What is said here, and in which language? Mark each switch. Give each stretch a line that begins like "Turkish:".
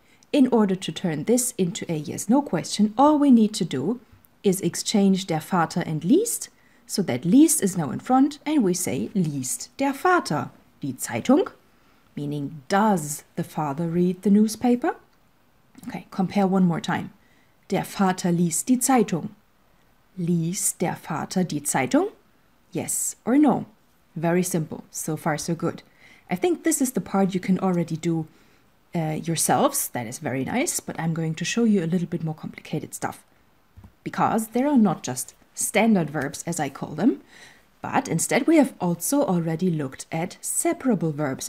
English: In order to turn this into a yes-no question, all we need to do is exchange der Vater and liest, so that liest is now in front, and we say
German: liest der Vater die Zeitung,
English: meaning does the father read the newspaper? Okay, compare one more time.
German: Der Vater liest die Zeitung. Liest der Vater die Zeitung?
English: Yes or no? Very simple. So far, so good. I think this is the part you can already do yourselves. That is very nice. But I'm going to show you a little bit more complicated stuff. Because there are not just standard verbs, as I call them. But instead, we have also already looked at separable verbs.